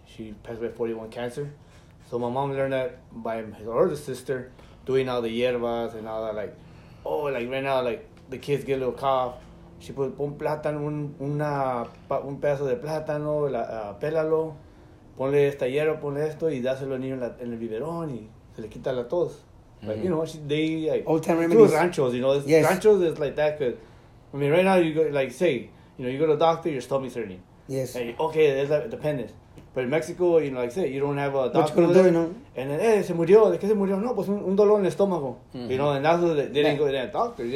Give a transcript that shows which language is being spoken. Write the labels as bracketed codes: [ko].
[en] She passed away with 41 cancer. So my mom learned that by her older sister doing all the hierbas and all that, like, oh, like, right now, like, the kids get a little cough. She put [es] un plátano, un pedazo de plátano, pélalo, ponle esta hierba, ponle esto, y dáselo al niño en el biberón, y se le quita la tos. [en] Mm-hmm. Like, you know, old time remedies. Ranchos, you know, it's, yes. Ranchos is like that, because, I mean, right now, you go, like, say, you know, you go to a doctor, your stomach's hurting. Yes. And okay, there's that dependence. But in Mexico, you know, like I say, you don't have a doctor. What you gonna do, you know? And then, [es] se murió. ¿De qué se murió? No, pues un dolor en el estómago. [en] Mm-hmm. You know, and that's what they didn't go to the doctor.